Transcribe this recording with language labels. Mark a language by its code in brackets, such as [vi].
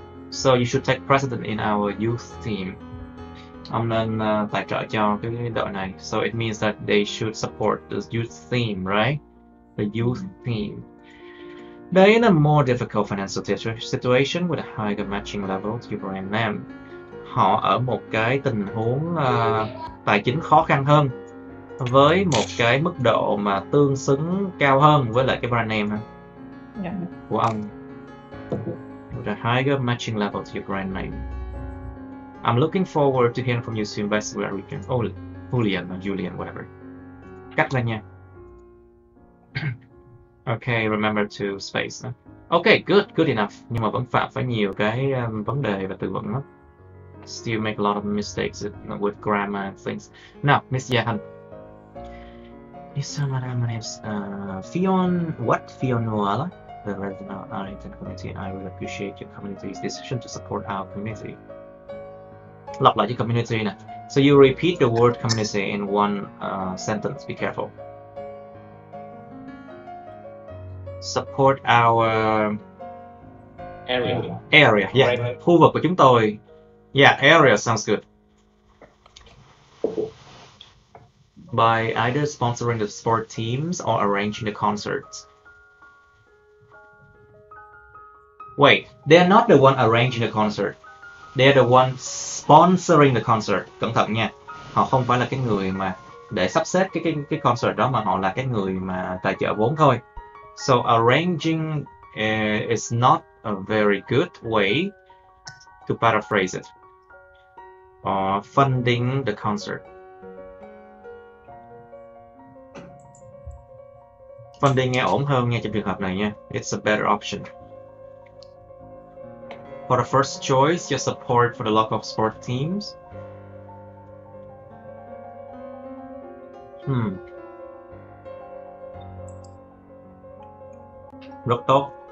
[en] So you should take precedent in our youth team. [vi] Ông nên tài trợ cho cái đội này. [en] So it means that they should support the youth team, right? The youth team. They're in a more difficult financial situation with a higher matching level to brand name. [vi] Họ ở một cái tình huống tài chính khó khăn hơn với một cái mức độ mà tương xứng cao hơn với lại cái brand name ha? [en] Yeah. [vi] Của ông. [en] The higher matching level to your brand name. I'm looking forward to hearing from you soon, best where we can. Oh, Julian, Julian, whatever. [vi] Cắt ra nha. [en] Okay, remember to space. Okay, good, good enough. [vi] Nhưng mà vẫn phạm phải nhiều cái vấn đề và từ vựng lắm. [en] Still make a lot of mistakes with grammar and things. Now, Miss Yehan. Nisa, madam, my name's Fion. What? Fion Nuala? The resident of Arlington community, and I really appreciate your community's decision to support our community. [vi] Lặp lại cái community nè. [en] So you repeat the word community in one sentence. Be careful. Support our area. Yeah, right. [vi] Khu vực của chúng tôi. [en] Yeah, area sounds good. By either sponsoring the sport teams or arranging the concerts. Wait, they're not the one arranging the concert. They're the one sponsoring the concert. [vi] Cẩn thận nha. Họ không phải là cái người mà để sắp xếp cái concert đó, mà họ là cái người mà tài trợ vốn thôi. [en] So arranging is not a very good way to paraphrase it. Or funding the concert. [vi] Funding nghe ổn hơn nha trong trường hợp này nha. [en] It's a better option. For the first choice, your support for the local sport teams. [vi] Rất tốt.